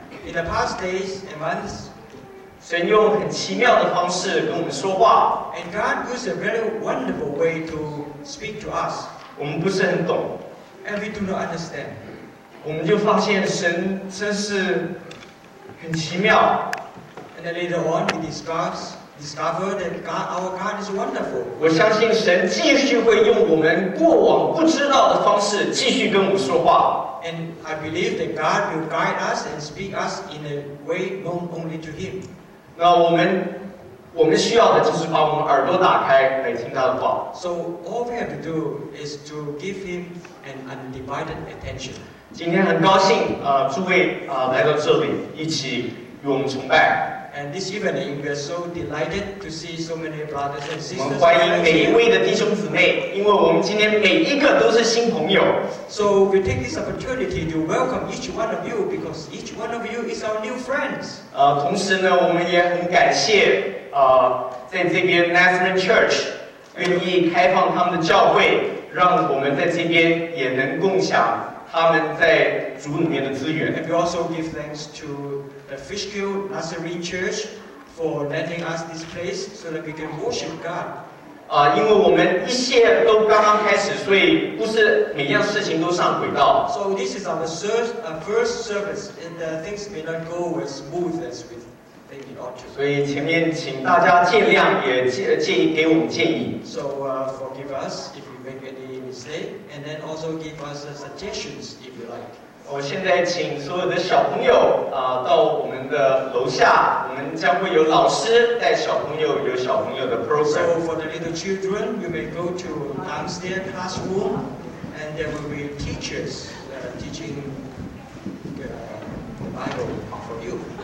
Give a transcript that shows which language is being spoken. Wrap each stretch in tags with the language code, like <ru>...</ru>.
<en>，In the past days and months,</en> <zh>神用很奇妙的方式跟我们说话。</zh> <en>And God used a very wonderful way to speak to us.</en> <zh>我们不是很懂。</zh> <en>And we do not understand.</en> <zh>我们就发现神真是很奇妙。</zh> <en>And then later on, we discover that God, our God is wonderful.</en> <zh>我相信神继续会用我们过往不知道的方式继续跟我们说话。</zh> <en>And I believe that God will guide us and speak us in a way known only to Him.</en> <zh>那我们需要的就是把我们耳朵打开来听他的话。</zh> <en>So all we have to do is to give Him an undivided attention.</en> <zh>今天很高兴啊，诸位啊来到这里一起与我们崇拜。</zh> <en>And this evening, we are so delighted to see so many brothers and sisters.</en> <zh>我们欢迎每一位的弟兄姊妹，因为我们今天每一个都是新朋友。</zh> <en>So we take this opportunity to welcome each one of you because each one of you is our new friends.</en> <zh>同时呢，我们也很感谢在这边 Nazareth Church 愿意开放他们的教会，让我们在这边也能共享他们在主里面的资源。</zh> <en>And we also give thanks to the Fishkill Nazarene Church for letting us this place so that we can worship God.</en> <zh>因为我们一切都刚刚开始，所以不是每样事情都上轨道。</zh> <en>So this is our first service, and things may not go as smooth as we think it ought to.</en> <zh>所以前面请大家见谅，也建议给我们建议。</zh> <en>So forgive us if we make any. And then also give us suggestions if you like.</en> <zh>我现在请所有的小朋友到我们的楼下，我们将会有老师带小朋友，有小朋友的 program.</zh> <en>So for the little children, you may go to downstairs classroom, and there will be teachers teaching the Bible for you.</en>